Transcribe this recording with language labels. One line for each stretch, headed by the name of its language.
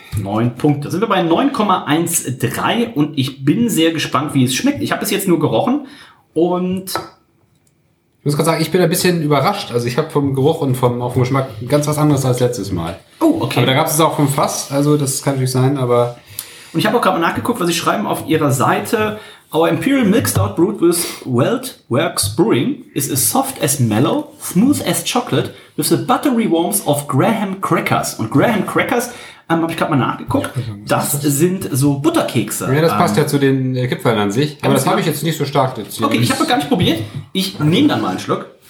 German: 9 Punkte. Da sind wir bei 9,13 und ich bin sehr gespannt, wie es schmeckt. Ich habe es jetzt nur gerochen und... Ich muss gerade sagen, ich bin ein bisschen überrascht. Also ich habe vom Geruch und auf dem Geschmack ganz was anderes als letztes Mal. Oh, okay. Aber da gab es auch vom Fass, also das kann natürlich sein, aber... Und ich habe auch gerade mal nachgeguckt, was sie schreiben auf ihrer Seite.
English: Our Imperial Milk Stout brewed with Weltwerks Brewing is as soft as mellow, smooth as chocolate, with the buttery warmth of Graham Crackers.
German: Und Graham Crackers, habe ich gerade mal nachgeguckt, das sind so Butterkekse. Ja, das passt ja zu den Kipfeln an sich. Aber das habe ich jetzt nicht so stark dazu. Okay, ich habe gar nicht probiert. Ich nehme dann mal einen Schluck.